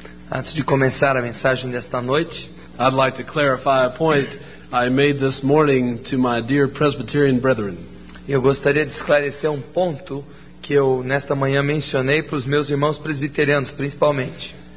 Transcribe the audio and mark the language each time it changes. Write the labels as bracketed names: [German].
[Portuguese] antes de começar a mensagem desta noite, [English] I'd like to clarify a point I made this morning to my dear Presbyterian brethren. [Portuguese] Eu gostaria de esclarecer um ponto que eu nesta manhã mencionei para os meus irmãos presbiterianos, principalmente.